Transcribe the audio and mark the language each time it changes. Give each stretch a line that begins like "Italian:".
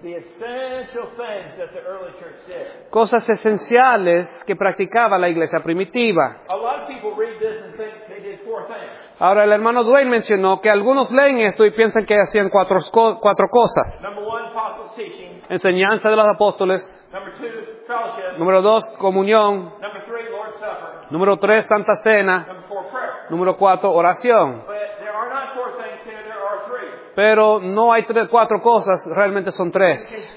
English: the essential things that the early church did.
Spanish: Cosas esenciales que practicaba la iglesia primitiva.
English: A lot of people read this and think they did four things.
Spanish: Ahora, el hermano Dwayne mencionó que algunos leen esto y piensan que hacían cuatro cosas.
English: Number one, apostles' teaching.
Spanish: Enseñanza de los apóstoles.
English: Number two, fellowship.
Spanish: Número dos, comunión.
English: Number three, Lord's Supper.
Spanish: Número tres, Santa Cena.
English: Number four, prayer.
Spanish: Número cuatro, oración.
English: But there are not four things here, there are three.
Spanish: Pero no hay cuatro cosas, realmente son tres.